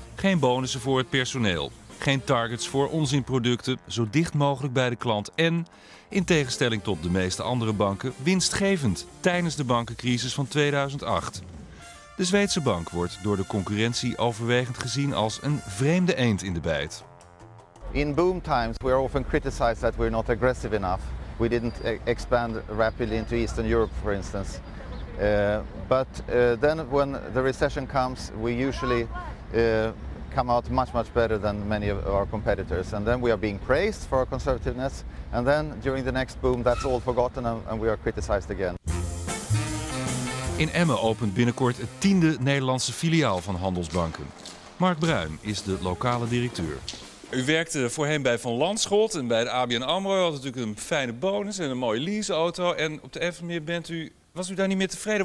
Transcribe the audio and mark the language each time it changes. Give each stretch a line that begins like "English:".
Dutch: Geen bonussen voor het personeel. Geen targets voor onzinproducten, zo dicht mogelijk bij de klant en, in tegenstelling tot de meeste andere banken, winstgevend tijdens de bankencrisis van 2008. De Zweedse bank wordt door de concurrentie overwegend gezien als een vreemde eend in de bijt.
English: In boom times we are often criticized that we're not aggressive enough. We didn't expand rapidly into Eastern Europe, for instance. But then when the recession comes, we usually come out much, much better than many of our competitors. And then we are being praised for our conservativeness. And then during the next boom, that's all forgotten and we are criticized again.
Dutch: In Emmen opent binnenkort het 10e Nederlandse filiaal van Handelsbanken. Mark Bruin is de lokale directeur. U werkte voorheen bij Van Lanschot en bij de ABN AMRO. U had natuurlijk een fijne bonus en een mooie leaseauto. En op de even meer bent u... Was u daar niet meer tevreden?